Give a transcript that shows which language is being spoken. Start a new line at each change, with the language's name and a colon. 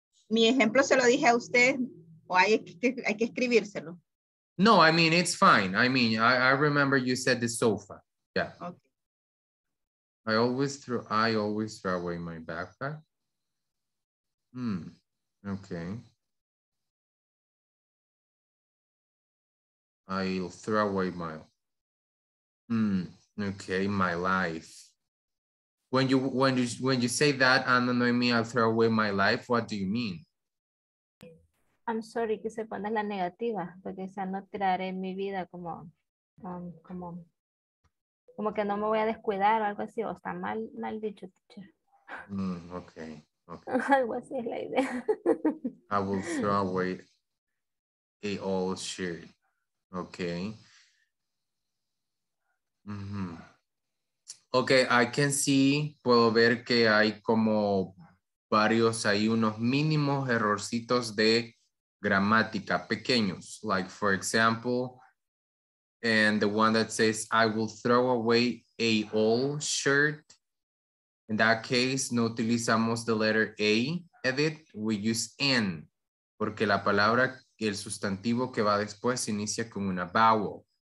Spanish: Mi ejemplo se lo dije a usted, o hay que escribírselo.
English: No, I mean, it's fine. I mean, I remember you said the sofa. Yeah. Okay. I always throw away my backpack. Okay. I'll throw away my, okay, my life. When you say that, Ana Noemi, I'll throw away my life, what do you mean? I'm sorry,
Spanish: que se pone la negativa, porque sea no tiraré mi vida como, como que no me voy a descuidar o algo así, o está mal dicho, teacher.
English: Okay.
Spanish: Algo así es la idea.
English: I will throw away a old shirt. Okay. Okay, I can see,
Spanish: puedo ver que hay como varios ahí, unos mínimos errorcitos de gramática, pequeños.
English: Like, for example, and the one that says, I will throw away a old shirt. In that case,
Spanish: no utilizamos
English: the letter A,
Spanish: Edith,
English: we use N,
Spanish: porque la palabra, el sustantivo que va después, inicia con una vowel.